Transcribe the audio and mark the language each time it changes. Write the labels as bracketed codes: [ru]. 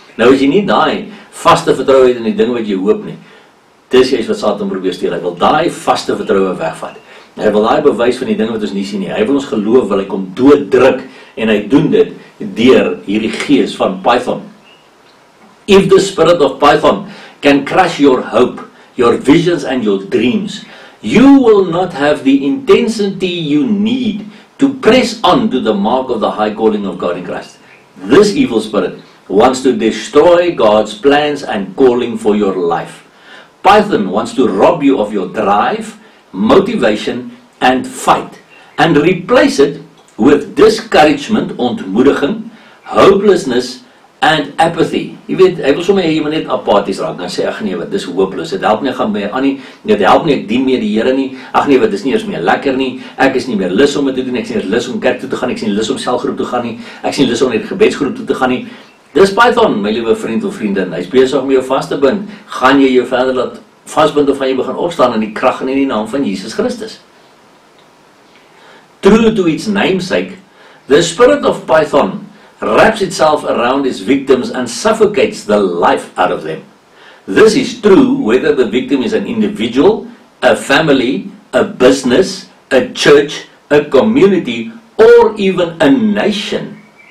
[af] Nou as jy nie daai vaste vertrouwe het in die dinge wat jy hoop nie, dis juist wat Satan probeer steel, hy wil daai vaste vertrouwe wegvat. Hy wil daar bewys van die dinge wat ons nie sien nie. Hy wil ons geloof, wil hy kom dooddruk en hy doen dit deur hierdie gees van Python. [en] If the spirit of Python can crush your hope, your visions and your dreams, you will not have the intensity you need to press on to the mark of the high calling of God in Christ. This evil spirit wants to destroy God's plans and calling for your life. Python wants to rob you of your drive, motivation and fight and replace it with discouragement, ontmoediging, hopelessness and apathy. [af] Jy weet, hy wil sommer jy moet net apathies raak, dan sê, ach nee wat, dis hopeloos, het help nie, gaan meer aan nie, het help nie, ek dien meer die Here nie, ach nee wat, dis nie eens meer lekker nie, ek is nie meer lus om het te doen, ek is nie lus om kerk toe te gaan, ek is nie lus om selgroep toe gaan nie, ek is nie lus om net gebedsgroep toe te gaan nie. Dis Python, my liewe vriend of vriendin, hy is besig om jou vast te bind, gaan jy jou verder laat vastbind of van jy begin opstaan in die kracht en in die naam van Jesus Christus. [en] True to its namesake, the spirit of Python wraps itself around its victims and suffocates the life out of them. This is true whether the victim is an individual, a family, a business, a church, a community, or even a nation.